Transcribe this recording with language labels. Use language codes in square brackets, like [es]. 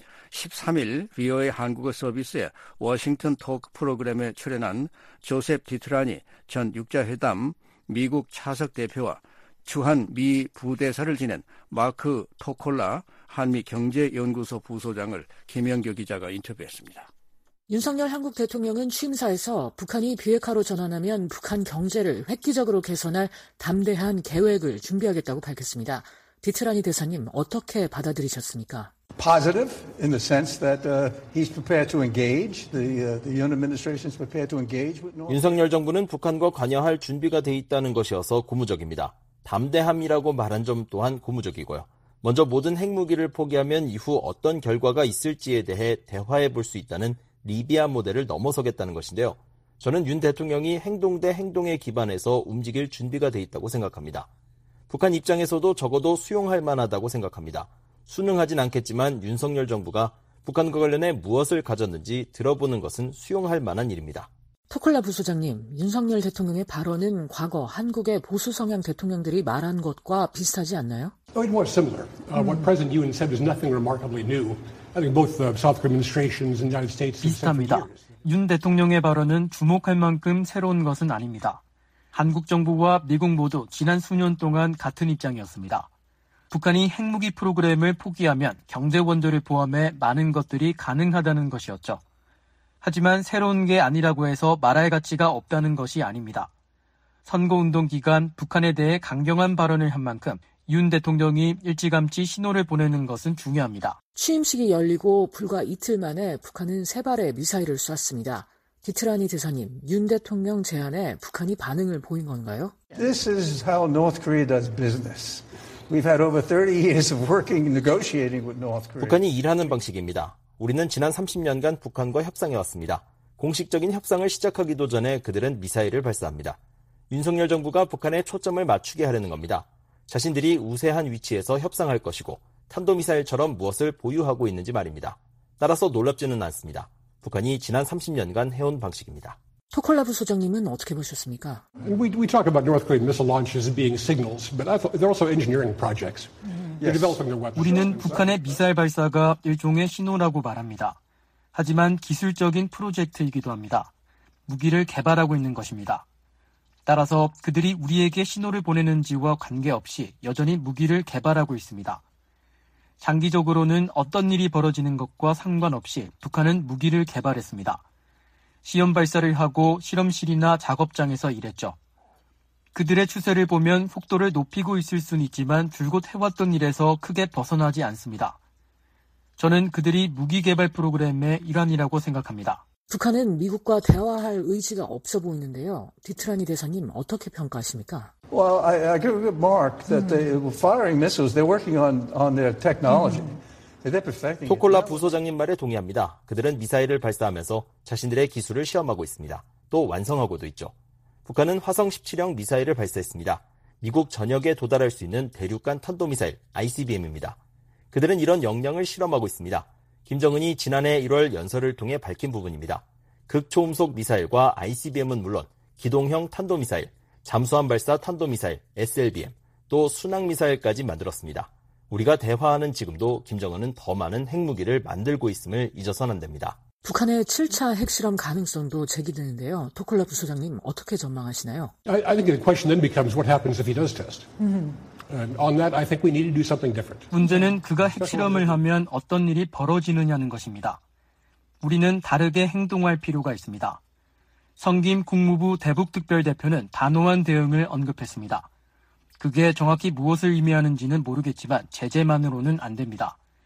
[ko] 13일 VOA 한국어 서비스의 워싱턴 토크 프로그램에 출연한 조셉 디트라니 전 육자회담 미국 차석 대표와 주한 미 부대사를 지낸 마크 토콜라 한미경제연구소 부소장을 김영규 기자가 인터뷰했습니다. 윤석열 한국 대통령은 취임사에서 북한이 비핵화로 전환하면 북한 경제를 획기적으로 개선할 담대한 계획을 준비하겠다고 밝혔습니다. 디트라니 대사님, 어떻게 받아들이셨습니까? [en] Positive in the sense that he's prepared to engage. The Yoon administration is prepared to engage with North. [ko] 윤석열 정부는 북한과 관여할 준비가 돼 있다는 것이어서 고무적입니다. 담대함이라고 말한 점 또한 고무적이고요. 먼저 모든 핵무기를 포기하면 이후 어떤 결과가 있을지에 대해 대화해 볼 수 있다는 리비아 모델을 넘어서겠다는 것인데요. 저는 윤 대통령이 행동 대 행동에 기반해서 움직일 준비가 돼 있다고 생각합니다. 북한 입장에서도 적어도 수용할 만하다고 생각합니다. 순응하진 않겠지만 윤석열 정부가 북한과 관련해 무엇을 가졌는지 들어보는 것은 수용할 만한 일입니다. 토콜라 부소장님, 윤석열 대통령의 발언은 과거 한국의 보수 성향 대통령들이 말한 것과 비슷하지 않나요? [en] It was similar. What President Yoon said was nothing remarkably new. I think both the South Korean administrations and the United States. [ko] 비슷합니다. 윤 대통령의 발언은 주목할 만큼 새로운 것은 아닙니다. 한국 정부와 미국 모두 지난 수년 동안 같은 입장이었습니다. 북한이 핵무기 프로그램을 포기하면 경제 원조를 포함해 많은 것들이 가능하다는 것이었죠. 하지만 새로운 게 아니라고 해서 말할 가치가 없다는 것이 아닙니다. 선거운동 기간 북한에 대해 강경한 발언을 한 만큼 윤 대통령이 일찌감치 신호를 보내는 것은 중요합니다. 취임식이 열리고 불과 이틀 만에 북한은 세 발의 미사일을 쐈습니다. 디트라니 대사님, 윤 대통령 제안에 북한이 반응을 보인 건가요? [en] This is how North Korea does business. We've had over 30 years of working and negotiating with North Korea. [ko] 북한이 일하는 방식입니다. 우리는 지난 30년간 북한과 협상해 왔습니다. 공식적인 협상을 시작하기도 전에 그들은 미사일을 발사합니다. 윤석열 정부가 북한에 초점을 맞추게 하려는 겁니다. 자신들이 우세한 위치에서 협상할 것이고 탄도미사일처럼 무엇을 보유하고 있는지 말입니다. 따라서 놀랍지는 않습니다. 북한이 지난 30년간 해온 방식입니다. 토콜라브 소장님은 어떻게 보셨습니까? [en] We talk about North Korean missile launches being signals, but they're also engineering projects. They're developing their weapons. [ko] 우리는 북한의 미사일 발사가 일종의 신호라고 말합니다. 하지만 기술적인 프로젝트이기도 합니다. 무기를 개발하고 있는 것입니다. 따라서 그들이 우리에게 신호를 보내는지와 관계없이 여전히 무기를 개발하고 있습니다. 장기적으로는 어떤 일이 벌어지는 것과 상관없이 북한은 무기를 개발했습니다. 시험 발사를 하고 실험실이나 작업장에서 일했죠. 그들의 추세를 보면 속도를 높이고 있을 순 있지만 줄곧 해왔던 일에서 크게 벗어나지 않습니다. 저는 그들이 무기 개발 프로그램의 일환이라고 생각합니다. 북한은 미국과 대화할 의지가 없어 보이는데요. 디트라니 대사님, 어떻게 평가하십니까? [en] Well, I agree with Mark that they were firing missiles. They're working on their technology. They're perfecting. [ko] 토콜라 부소장님 말에 동의합니다. 그들은 미사일을 발사하면서 자신들의 기술을 시험하고 있습니다. 또 완성하고도 있죠. 북한은 화성 17형 미사일을 발사했습니다. 미국 전역에 도달할 수 있는 대륙간 탄도미사일 ICBM입니다. 그들은 이런 역량을 실험하고 있습니다. 김정은이 지난해 1월 연설을 통해 밝힌 부분입니다. 극초음속 미사일과 ICBM은 물론 기동형 탄도미사일, 잠수함 발사 탄도미사일, SLBM, 또 순항미사일까지 만들었습니다. 우리가 대화하는 지금도 김정은은 더 많은 핵무기를 만들고 있음을 잊어서는 안 됩니다. 북한의 7차 핵실험 가능성도 제기되는데요. 토콜라 부소장님, 어떻게 전망하시나요? [en] I think the question then becomes what happens if he does test. And on that, I think we need to do something different. [ko] 문제는 그가 핵실험을 하면 어떤 일이 벌어지느냐는 것입니다. 우리는 다르게 행동할 필요가 있습니다. 성김 국무부 대북특별대표는 단호한 대응을 언급했습니다. 그게 정확히 무엇을 의미하는지는 모르겠지만 제재만으로는 안 됩니다.